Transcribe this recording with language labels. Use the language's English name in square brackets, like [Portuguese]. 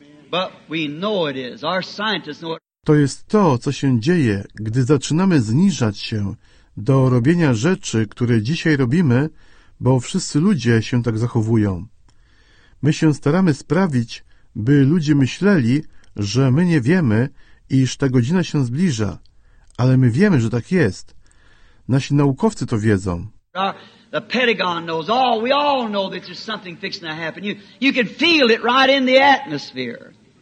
[English] But we know it is. Our scientists know it. [Polish] To jest to, co się dzieje, gdy zaczynamy zniżać się do robienia rzeczy, które dzisiaj robimy, bo wszyscy ludzie się tak zachowują. My się staramy sprawić, by ludzie myśleli, że my nie wiemy, iż ta godzina się zbliża, ale my wiemy, że tak jest. Nasi naukowcy to wiedzą. [English] The Pentagon knows all. We all know that there's something fixing to happen. You can feel it right in the atmosphere.